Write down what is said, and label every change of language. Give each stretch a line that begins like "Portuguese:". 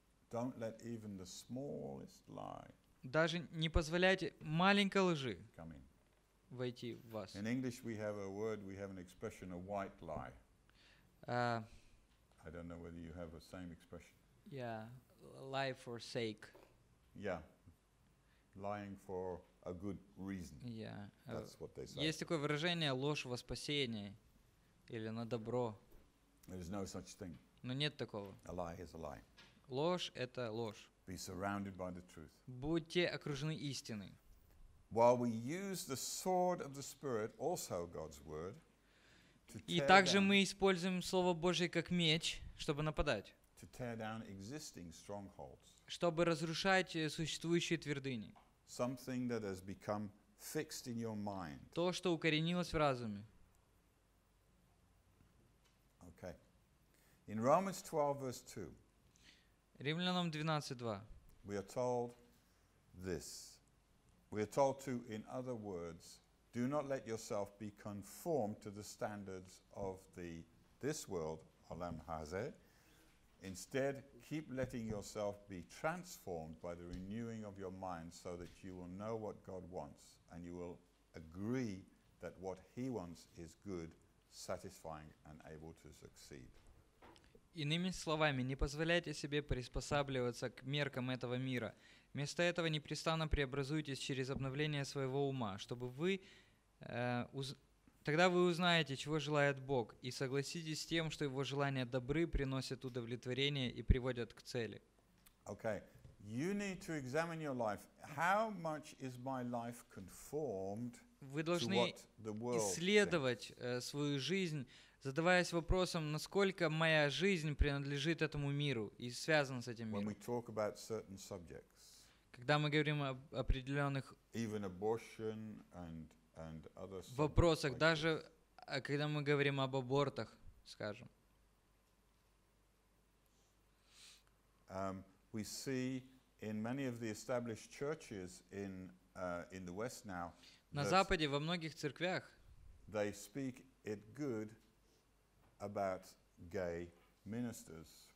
English: Don't let even the smallest lie.
Russian: Даже не позволяйте маленькой лжи войти в вас.
English: In English we have a word, we have an expression, a white lie. I don't know whether you have the same expression. Yeah, lie for sake. Yeah, lying for a good reason. Yeah. That's what they say.
Russian: Есть такое выражение ложь во спасение или на добро.
English: There is no such thing.
Russian: Но нет такого.
English: A lie is a lie.
Russian: Ложь это ложь.
English: Be surrounded by the truth.
Russian: Будьте окружены истиной.
English: While we use the sword of the Spirit, also God's word, to tear
Russian: И также мы используем слово Божье как меч, чтобы нападать.
English: To tear down existing strongholds.
Russian: Чтобы разрушать существующие твердыни.
English: Something that has become fixed in your mind.
Russian: То, что укоренилось в разуме.
English: Okay. In Romans 12, verse 2.
Russian: Римлянам 12:2.
English: We are told this. We are told to, in other words, do not let yourself be conformed to the standards of this world, Olam Hazeh. Instead, keep letting yourself be transformed by the renewing of your mind so that you will know what God wants and you will agree that what He wants is good, satisfying and able to succeed.
Russian: Иными словами, не позволяйте себе приспосабливаться к меркам этого мира. Вместо этого непрестанно преобразуйтесь через обновление своего ума, чтобы вы Тогда вы узнаете, чего желает Бог, и согласитесь с тем, что Его желания добры, приносят удовлетворение и приводят к цели.
English: Okay, you need to examine your life. How much is my life conformed to what the world says?
Russian: Исследовать свою жизнь, задаваясь вопросом, насколько моя жизнь принадлежит этому миру и связана с этим миром.
English: When we talk about certain subjects,
Russian: когда мы говорим об определенных
English: even abortion and
Russian: в вопросах, даже когда мы говорим об абортах, скажем.
English: We see in many of the established churches in the West now.
Russian: На Западе во многих церквях.
English: They speak it good about gay ministers.